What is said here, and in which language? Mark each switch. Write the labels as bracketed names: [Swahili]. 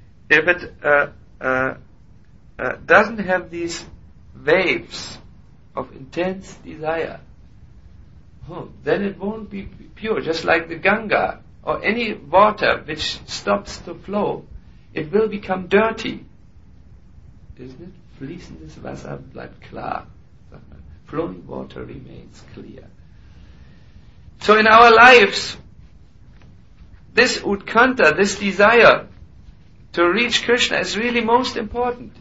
[English] If it doesn't have these waves of intense desire. Then it won't be pure, just like the Ganga or any water which stops to flow. It will become dirty. Isn't it? [German] Fließendes Wasser bleibt klar. [English] Flowing water remains clear. So in our lives, this utkanta, this desire to reach Krishna is really most important.